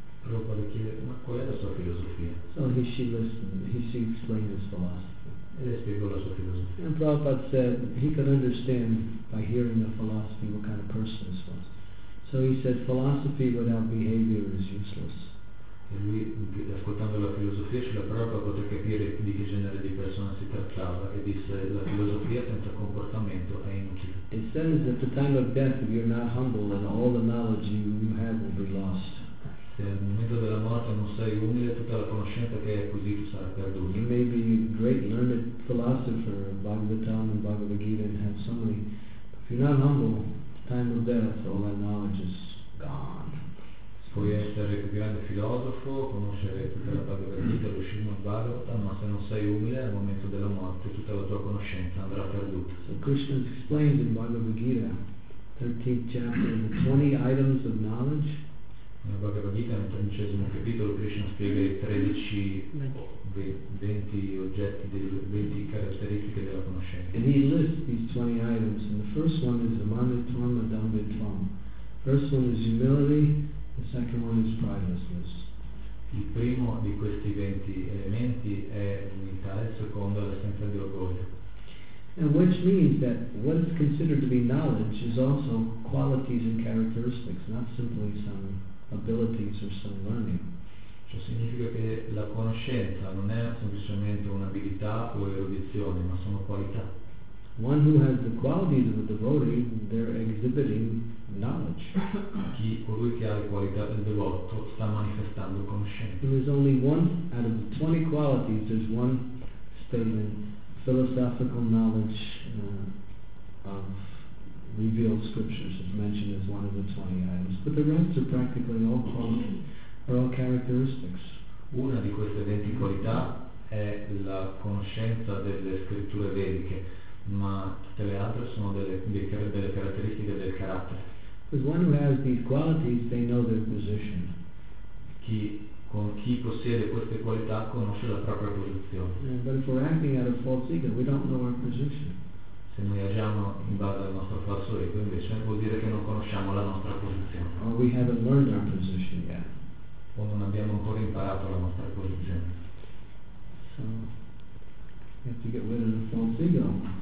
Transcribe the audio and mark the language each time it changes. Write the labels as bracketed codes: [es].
[it] Prabhupada chiede, ma qual è la sua filosofia? [en] So he explained his philosophy. [it] E le spiegò la sua filosofia. [en] And Prabhupada said he could understand by hearing the philosophy what kind of person this was. So he said philosophy without behavior is useless. [it] E lui, ascoltando la filosofia, ce la Prabhupada poté capire di che genere di persona si trattava e disse la filosofia senza comportamento è inutile. [en] It says at the time of death if you're not humble then all the knowledge you have will be lost. [it] Se al momento della morte non sei umile, tutta la conoscenza che hai acquisito sarà perduta. [en] You may be a great learned philosopher, Bhagavatam and Bhagavad Gita, and have so many. If you're not humble, the time of death, all that knowledge is gone. [it] Puoi essere il più grande filosofo, conoscere tutta la Bhagavad Gita, lo Srimad Bhagavatam, ma se non sei umile, al momento della morte, tutta la tua conoscenza andrà perduta. [en] So Krishna explains in Bhagavad Gita, 13th chapter, 20 items of knowledge. [it] Nella Bhagavad Gita, nel 13° capitolo, Krishna spiega i 13 20 oggetti, 20 caratteristiche della conoscenza. [en] And he lists these 20 items, and the first one is amanitvam, adambitvam. First one is humility, the second one is pridelessness. [it] Il primo di questi 20 elementi è l'unità, il secondo è l'assenza di orgoglio. [en] And which means that what is considered to be knowledge is also qualities and characteristics, not simply some abilities or some learning. [it] Ciò significa che la conoscenza non è semplicemente un'abilità o erudizione, ma sono qualità. [en] One who has the qualities of a devotee, they're exhibiting knowledge. [it] Colui che ha le qualità del devoto sta manifestando conoscenza. [en] There is only one out of the 20 qualities, there's one statement, philosophical knowledge of revealed scriptures is mentioned as one of the 20 items, but the rest are practically all qualities, are all characteristics. [it] Una di queste 20 qualità è la conoscenza delle scritture vediche, ma tutte le altre sono delle caratteristiche del carattere. [en] Because one who has these qualities, they know their position. [it] Chi possiede queste qualità conosce la propria posizione. [en] Yeah, but if we're acting out of false ego, we don't know our position. [it] Se noi agiamo in base al nostro falso ego, invece vuol dire che non conosciamo la nostra posizione. [en] Or we haven't learned our position yet. [it] O non abbiamo ancora imparato la nostra posizione. [en] So, we have to get rid of the false ego.